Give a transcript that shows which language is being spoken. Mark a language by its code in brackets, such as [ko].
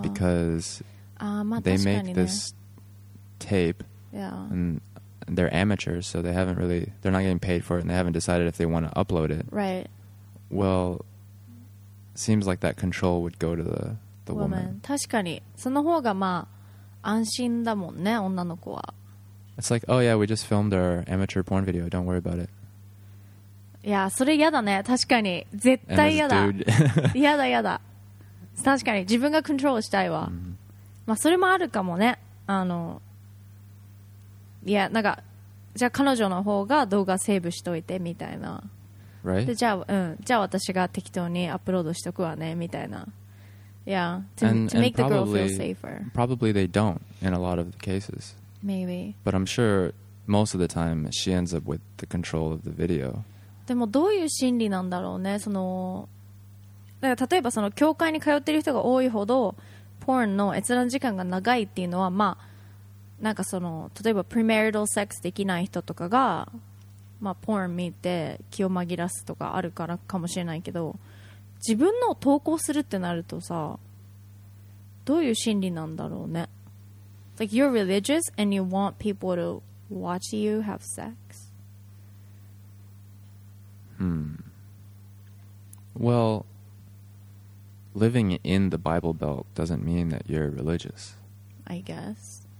[en] Because they make this tape. Yeah. And they're amateurs, so they're not getting paid for it, and they haven't decided if they want to upload it. Right. Well, seems like that control would go to the woman. [ja] 確かに。その方がまあ安心だもんね、女の子は。 [en] It's like, oh yeah, we just filmed our amateur porn video. Don't worry about it. [ja] いや、それ嫌だね。確かに。絶対嫌だ。嫌だ嫌だ。確かに。自分がコントロールしたいわ。 Mm-hmm. まあ、それもあるかもね。いや、なんか、じゃあ彼女の方が動画セーブしといて、みたいな。 [en] Right? [ja] じゃあ私が適当にアップロードしとくわね、みたいな。 [en] Yeah, to make the girl feel safer. Probably they don't in a lot of the cases. Maybe. But I'm sure most of the time she ends up with the control of the video. [ja] でもどういう心理なんだろうね。そのだから例えばその教会に通ってる人が多いほどポーンの閲覧時間が長いっていうのは、まあなんかその例えばプリマリタルセックスできない人とかが、まあ、ポーン見て気を紛らすとかあるからかもしれないけど、自分の投稿するってなるとさ、どういう心理なんだろうね。 [en] Like you're religious and you want people to watch you have sex. Well, living in the Bible Belt doesn't mean that you're religious. I guess.